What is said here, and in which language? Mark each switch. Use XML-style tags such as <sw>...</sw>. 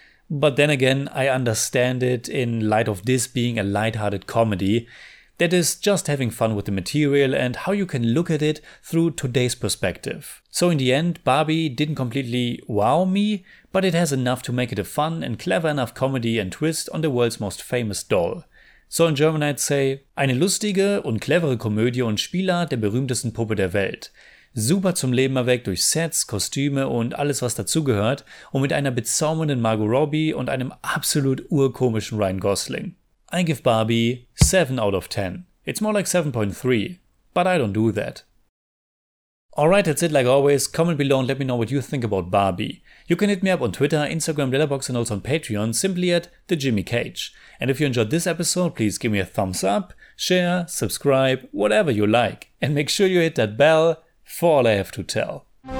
<en>But then again, I understand it in light of this being a lighthearted comedy that is just having fun with the material and how you can look at it through today's perspective. So in the end, Barbie didn't completely wow me, but it has enough to make it a fun and clever enough comedy and twist on the world's most famous doll. So in German I'd say,</en> <de>eine lustige und clevere Komödie und Spielart der berühmtesten Puppe der Welt. Super zum Leben erweckt durch Sets, Kostüme und alles, was dazugehört, und mit einer bezaubernden Margot Robbie und einem absolut urkomischen Ryan Gosling.</de> <en>I give Barbie 7 out of 10. It's more like 7.3, but I don't do that. Alright, that's it. Like always, comment below and let me know what you think about Barbie. You can hit me up on Twitter, Instagram, Letterboxd and also on Patreon, simply at The Jimmy Cage. And if you enjoyed this episode, please give me a thumbs up, share, subscribe, whatever you like. And make sure you hit that bell. For all I have to tell.</en>